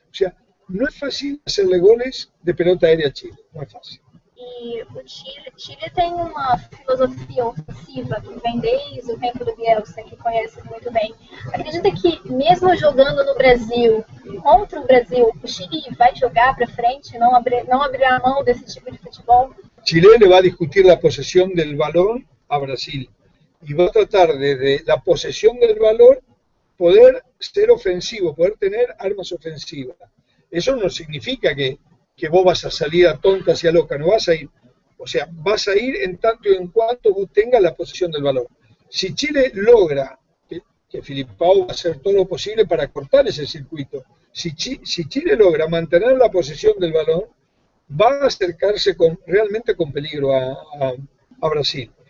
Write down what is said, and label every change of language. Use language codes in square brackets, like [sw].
[es] O sea, no es fácil hacerle goles de pelota aérea a Chile, no es fácil. [pt] E o Chile tem uma filosofia ofensiva que vem desde o tempo do Bielsa, que conhece muito bem. Acredita que, mesmo jogando no Brasil, contra o Brasil, o Chile vai jogar para frente, não abrir a mão desse tipo de futebol? Chile vai discutir a posesão do balão a Brasil. E vai tratar desde a posesão do balão poder ser ofensivo, poder ter armas ofensivas. Isso não significa [es] que vos vas a salir a tontas y a loca, no vas a ir. O sea, vas a ir en tanto y en cuanto vos tengas la posesión del balón. Si Chile logra, que Filipão va a hacer todo lo posible para cortar ese circuito, si Chile logra mantener la posesión del balón, va a acercarse realmente con peligro a Brasil.